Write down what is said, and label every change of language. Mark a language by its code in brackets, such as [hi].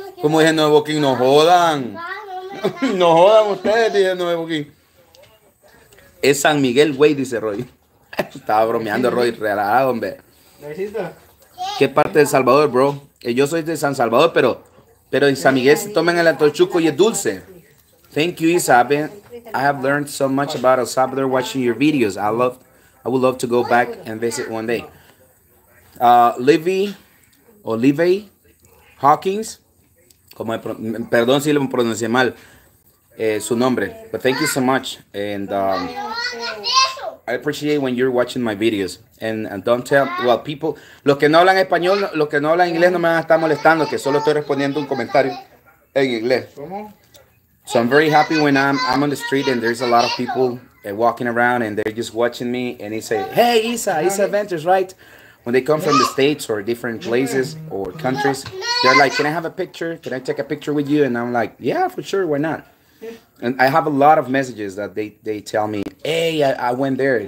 [es] Como dije, Nuevo King, no jodan. No jodan ustedes, dice Nuevo King. Es San Miguel, güey, dice Roy. Estaba bromeando, Roy, relajado, hombre. ¿Qué parte de El Salvador, bro? Yo soy de San Salvador, pero en San Miguel se toman el atolchuco y es dulce. [en] Thank you, Isabe. I have learned so much about El Salvador watching your videos. I would love to go back and visit one day. Olive Hawkins. [es] Perdón si lo pronuncié mal su nombre. [en] But thank you so much. And I appreciate when you're watching my videos. And don't tell, well, people. [es] Los que no hablan español, los que no hablan inglés, no me van a estar molestando, que solo estoy respondiendo un comentario en inglés. ¿Cómo? [en] So I'm very happy when I'm on the street and there's a lot of people walking around and they're just watching me and they say, hey, Isa Ventures, right? When they come from the States or different places or countries, they're like, can I have a picture? Can I take a picture with you? And I'm like, yeah, for sure, why not? And I have a lot of messages that they tell me, hey, I went there.